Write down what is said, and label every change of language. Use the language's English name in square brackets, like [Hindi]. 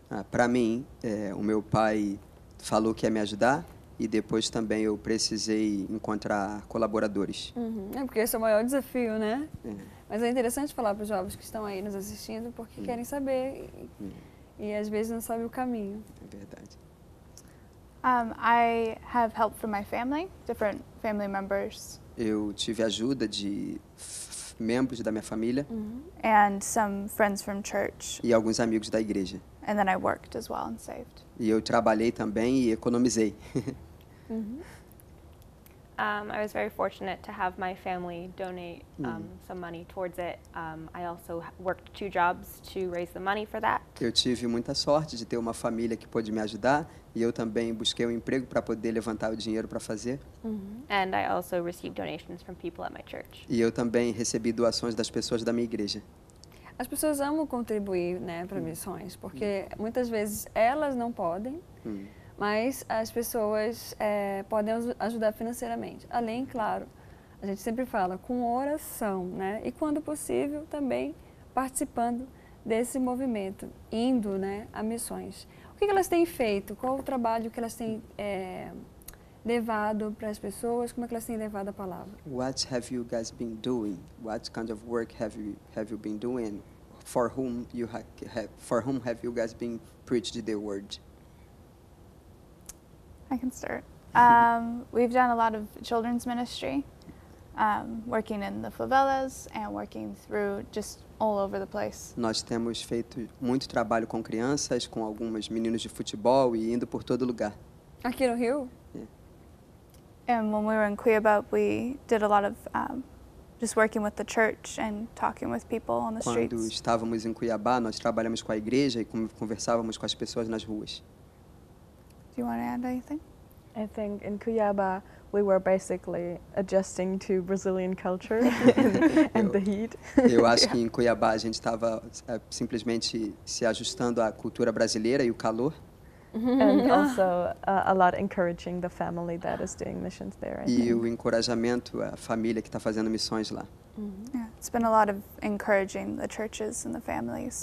[Portuguese] Para mim, o meu pai falou que ia me ajudar e depois também eu precisei encontrar colaboradores. É porque esse é o maior desafio, né? Mas é interessante falar para os jovens que estão aí nos assistindo porque querem saber e às vezes não sabem o caminho. É verdade. [English] I have help from my family, different family members. [Portuguese] Eu tive ajuda de membros da minha família. [English] And some friends from church. [Portuguese] E alguns amigos da igreja. [English] And then I worked as well and saved. [Portuguese] E eu trabalhei também e economizei. [English] I was very fortunate to have my family donate some money towards it. I also worked 2 jobs to raise the money for that. [Portuguese] Eu tive muita sorte de ter uma família que pôde me ajudar e eu também busquei um emprego para poder levantar o dinheiro para fazer. [English] And I also received donations from people at my church. [Portuguese] E eu também recebi doações das pessoas da minha igreja. as pessoas amam contribuir, né, para missões, porque muitas vezes elas não podem, mas as pessoas podem ajudar financeiramente. Além, claro, a gente sempre fala com oração, né, e quando possível também participando desse movimento, indo, né, a missões. O que elas têm feito? Qual o trabalho que elas têm levado para as pessoas? Como é que elas têm levado a palavra? [English] What have you guys been doing? What kind of work have you been doing? For whom you for whom have you guys been preached the word? I can start. We've done a lot of children's ministry, working in the favelas and working through just all over the place. [Portuguese] Nós temos feito muito trabalho com crianças, com algumas meninas de futebol e indo por todo lugar. Aqui no Rio? [English] And when we were in Cuiabá, we did a lot of just working with the church and talking with people on the [Portuguese] Quando [English] streets. [Portuguese] Quando estávamos em Cuiabá, nós trabalhamos com a igreja e conversávamos com as pessoas nas ruas. [English] Do you want to add anything? I think in Cuiabá, we were basically adjusting to Brazilian culture and the heat. [Portuguese] Eu acho que em Cuiabá a gente estava simplesmente se ajustando à cultura brasileira e o calor. [English] And also a lot encouraging the family that is doing missions there. [Portuguese] E o encorajamento à família que está fazendo missões lá. [English] Yeah, it's been a lot of encouraging the churches and the families.